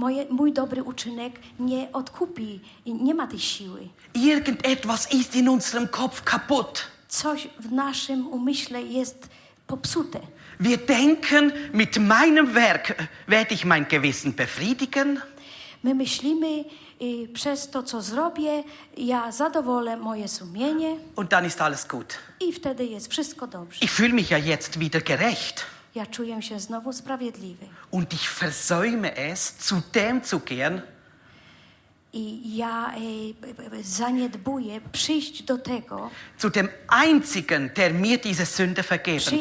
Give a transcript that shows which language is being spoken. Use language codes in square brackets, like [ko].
[pl] Mój dobry uczynek nie odkupi, nie ma tej siły. [de] Irgendetwas ist in unserem Kopf kaputt. [pl] Coś w naszym umyśle jest popsute. [de] Wir denken, mit meinem Werk werde ich mein Gewissen befriedigen. [pl] My myślimy, przez to, co zrobię, ja zadowolę moje sumienie. [de] Und dann ist alles gut. [pl] I wtedy jest wszystko dobrze. [de] Ich fühle mich ja jetzt wieder gerecht. [pl] Ja czuję się znowu sprawiedliwy. [de] Und ich versäume es, zu dem zu gehen. [pl] I ja zaniedbuję przyjść do tego, [de] zu dem einzigen, der mir diese Sünde vergeben kann.